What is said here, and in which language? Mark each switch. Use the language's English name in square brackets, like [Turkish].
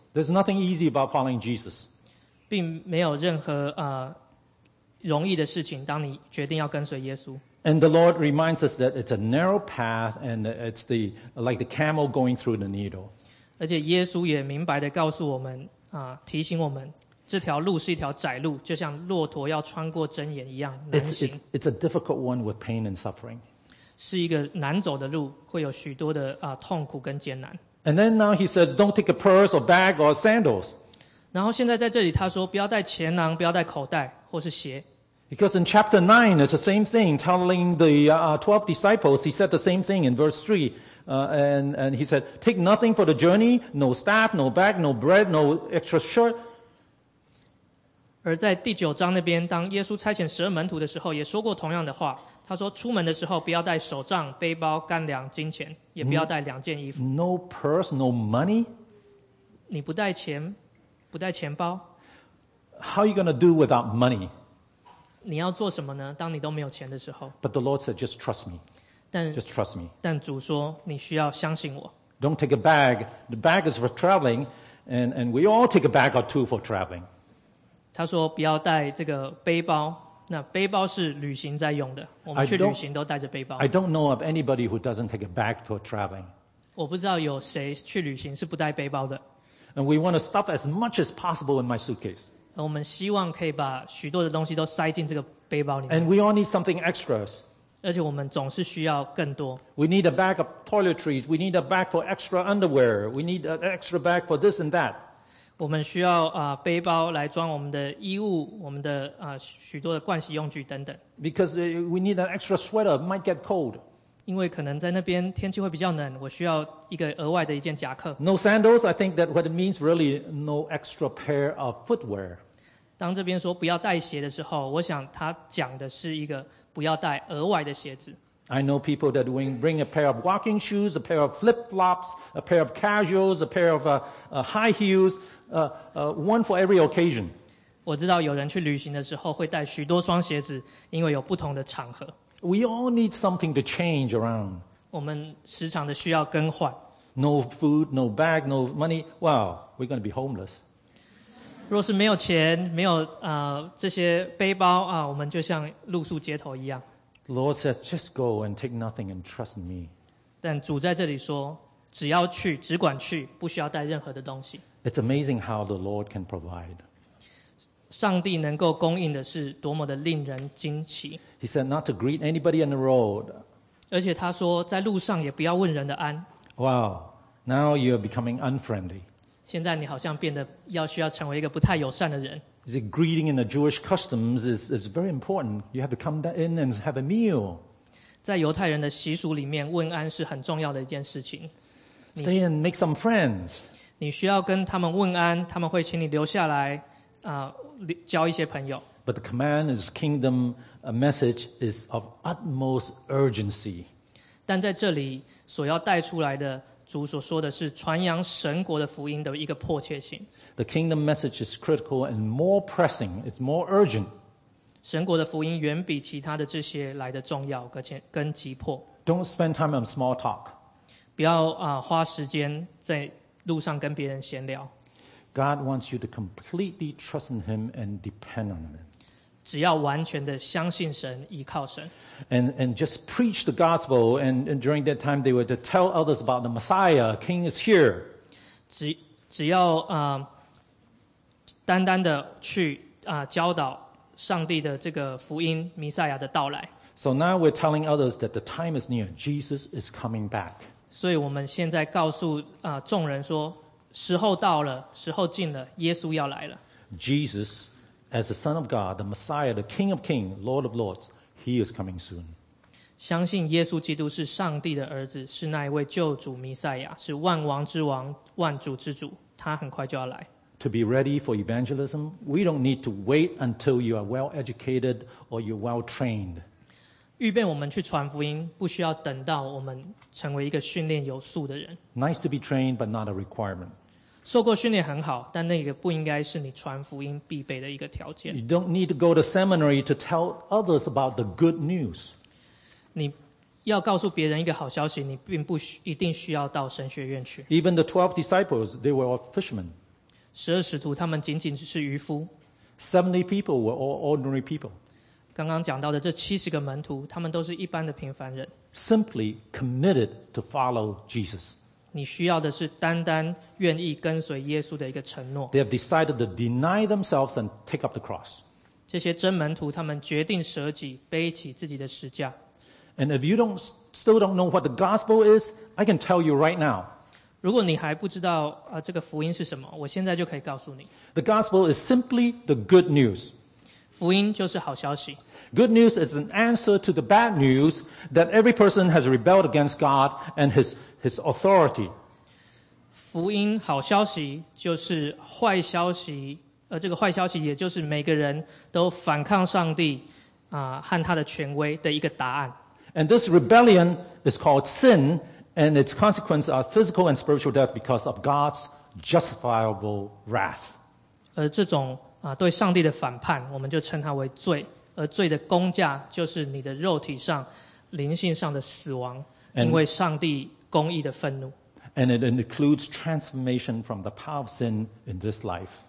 [English] There's nothing easy about following Jesus. [Chinese] 并没有任何容易的事情，当你决定要跟随耶稣。 [English] And the Lord reminds us that it's a narrow path and it's the, like the camel going through the needle. [Chinese] 而且耶稣也明白地告诉我们，提醒我们，这条路是一条窄路，就像骆驼要穿过针眼一样难行。 [English] It's a difficult one with pain and suffering. [Chinese] 是一个难走的路，会有许多的痛苦跟艰难。 [English] And then now he says, don't take a purse or bag or sandals. [Chinese] 然后现在在这里他说，不要带钱囊，不要带口袋或是鞋。 [English] Because in chapter 9, it's the same thing, telling the 12 disciples, he said the same thing in verse 3. And he said, take nothing for the journey, no staff, no bag, no bread, no extra shirt. [Chinese] 而在第九章那边，当耶稣差遣十二门徒的时候，也说过同样的话。他说出门的时候不要带手杖、背包、干粮、金钱，也不要带两件衣服。 [English] No purse, no money? [Chinese] 你不带钱，不带钱包。 [English] How are you going to do without money? [Chinese] 你要做什么呢？当你都没有钱的时候。 [English] But the Lord said, just trust me. Just trust me. [Chinese] 但主说，你需要相信我。 [English] Don't take a bag. The bag is for traveling, and we all take a bag or two for traveling. [Chinese] 他说不要带这个背包。那背包是旅行在用的。我们去旅行都带着背包。 [English] I don't know of anybody who doesn't take a bag for traveling. [Chinese] 我不知道有谁去旅行是不带背包的。 [English] And we want to stuff as much as possible in my suitcase. [Chinese] 我们希望可以把许多的东西都塞进这个背包里面。 [English] And we all need something extra. [Chinese] 而且我们总是需要更多。 [English] We need a bag of toiletries. We need a bag for extra underwear. We need an extra bag for this and that. [Chinese] 我们需要背包来装我们的衣物，我们的许多的盥洗用具等等。 [English] Because we need an extra sweater. It might get cold. [Chinese] 因为可能在那边天气会比较冷，我需要一个额外的一件夹克。 [English] No sandals, I think that what it means really no extra pair of footwear. [Chinese] 当这边说不要带鞋的时候，我想他讲的是一个不要带额外的鞋子。 [English] I know people that bring a pair of walking shoes, a pair of flip-flops, a pair of casuals, a pair of high heels, one for every occasion. [Chinese] 我知道有人去旅行的时候会带许多双鞋子，因为有不同的场合。 [English] We all need something to change around. [Chinese] 我们时常的需要更换。 [English] No food, no bag, no money. Wow, we're going to be homeless. [Chinese] 若是没有钱，没有这些背包啊，我们就像露宿街头一样。 [English] Lord said, just go and take nothing and trust me. [Chinese] 但主在这里说，只要去，只管去，不需要带任何的东西。 [English] It's amazing how the Lord can provide. [Chinese] 上帝能够供应的是多么的令人惊奇。 [English] He said not to greet anybody on the road. [Chinese] 而且他说在路上也不要问人的安。 [English] Wow, now you are becoming unfriendly. [Chinese] 现在你好像变得要需要成为一个不太友善的人。 [English] The greeting in the Jewish customs is very important. You have to come in and have a meal. [Chinese] 在犹太人的习俗里面，问安是很重要的一件事情。 [English] Stay and make some friends. [Chinese] 你需要跟他们问安，他们会请你留下来。交一些朋友。 [English] But the command is kingdom message is of utmost urgency. [Chinese] 但在这里所要带出来的主所说的是传扬神国的福音的一个迫切性。 [English] The kingdom message is critical and more pressing. It's more urgent. [Chinese] 神国的福音远比其他的这些来的重要跟急迫。 [English] Don't spend time on small talk. [Chinese] 不要花时间在路上跟别人闲聊。 [English] God wants you to completely trust in Him and depend on Him. [Chinese] 只要完全的相信神，依靠神。 [English] And just preach the gospel, and during that time they were to tell others about the Messiah, King is here. [Chinese] 只要单单的去教导上帝的这个福音，弥赛亚的到来。 [English] So now we're telling others that the time is near. Jesus is coming back. [Chinese] 所以我们现在告诉众人说，时候到了，时候近了，耶稣要来了。 [English] Jesus, as the Son of God, the Messiah, the King of Kings, Lord of Lords, He is coming soon. [Chinese] 相信耶稣基督是上帝的儿子，是那一位救主弥赛亚，是万王之王，万主之主，他很快就要来。 [English] To be ready for evangelism, we don't need to wait until you are well educated or you're well trained. [Chinese] 预备我们去传福音，不需要等到我们成为一个训练有素的人。 [English] Nice to be trained, but not a requirement. [Chinese] 受过训练很好，但那个不应该是你传福音必备的一个条件。 [English] You don't need to go to seminary to tell others about the good news. [Chinese] 你要告诉别人一个好消息，你并不一定需要到神学院去。 [English] Even the 12 disciples, they were fishermen. [Chinese] 十二使徒他们仅仅只是渔夫。 [English] 70 people were all ordinary people. [Chinese] 刚刚讲到的这70个门徒，他们都是一般的平凡人。 [English] Simply committed to follow Jesus. [Chinese] 你需要的是单单愿意跟随耶稣的一个承诺。 [English] They have decided to deny themselves and take up the cross. [Chinese] 这些真门徒他们决定舍己，背起自己的十字架。 [English] And if you still don't know what the gospel is, I can tell you right now. [Chinese] 如果你还不知道这个福音是什么，我现在就可以告诉你。 [English] The gospel is simply the good news. [Chinese] 福音就是好消息。 [English] Good news is an answer to the bad news that every person has rebelled against God and his authority. [Chinese] 福音好消息就是坏消息，这个坏消息也就是每个人都反抗上帝和他的权威的一个答案。 [English] And this rebellion is called sin. And its consequences are physical and spiritual death because of God's justifiable wrath. [Chinese] 而这种对上帝的反叛，我们就称它为罪。而罪的公价就是你的肉体上、灵性上的死亡，因为上帝公义的愤怒。 [English] And it includes transformation from the power of sin in this life.